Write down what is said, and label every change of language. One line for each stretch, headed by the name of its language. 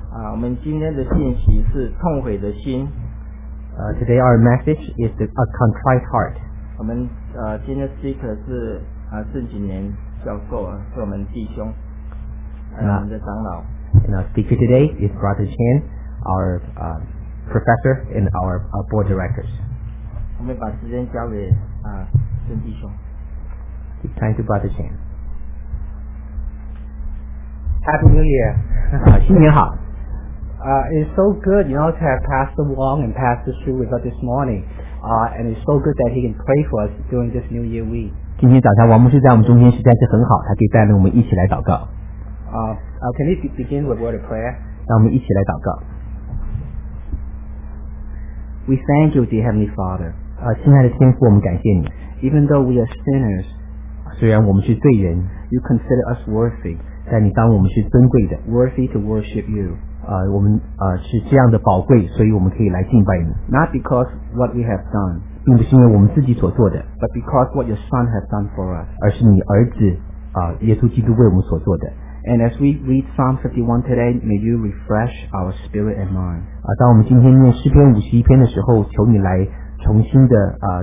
Chinese: 我们今天的信息是痛悔的心。
English: Today our message is a contrite heart.
Chinese: 我们 今天的 speaker 是 圣经年教授，是我们弟兄， 我们的长老。
English: And our speaker today is Brother Chan, our professor and our board directors.
Chinese: 我们把时间交给孙弟兄。
English: Time to Brother Chan. Happy New Year.
Chinese: 新年好。
English: It's so good, you know, to have Pastor Wong and Pastor Shu with us this morning. And it's so good that he can pray for us during this New Year week.
Chinese: 今天早上王牧师在我们中间实在是很好，他可以带领我们一起来祷告。
English: Can we begin with a word of prayer?
Chinese: 让我们一起来祷告。
English: We thank you, dear Heavenly Father.
Chinese: 亲爱的天父，我们感谢你。
English: Even though we are sinners,
Chinese: 虽然我们是罪人，
English: you consider us worthy.
Chinese: 但你当我们是尊贵的，
English: worthy to worship you.
Chinese: 我们是这样的宝贵， 所以我们可以来敬拜你。
English: Not because what we have done,
Chinese: 并不是因为我们自己所做的，
English: but because what your Son has done for us.
Chinese: 而是你儿子， 耶稣基督为我们所做的。
English: And as we read Psalm 51 today, may you refresh our spirit and mind.
Chinese: 当我们今天念诗篇51篇的时候， 求你来 重新的,